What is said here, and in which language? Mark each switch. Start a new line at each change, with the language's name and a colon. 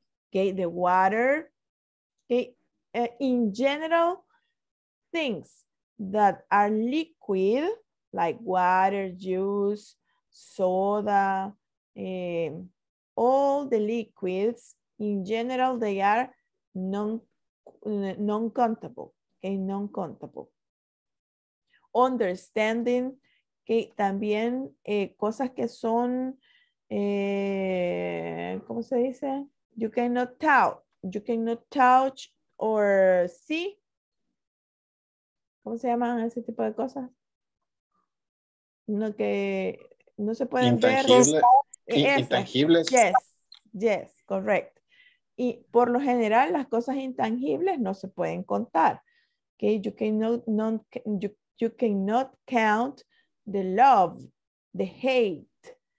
English: Okay, the water. Okay, in general, things that are liquid, like water, juice, soda, all the liquids, in general, they are non-countable, okay, non-countable.
Spanish: Understanding, okay, también cosas que son, ¿cómo se dice?
English: You cannot touch or see.
Spanish: ¿Cómo se llaman ese tipo de cosas? No, que no se pueden ver. Intangibles.
English: Yes, correct.
Spanish: Y por lo general, las cosas intangibles no se pueden contar.
English: Okay, you cannot count the love, the hate.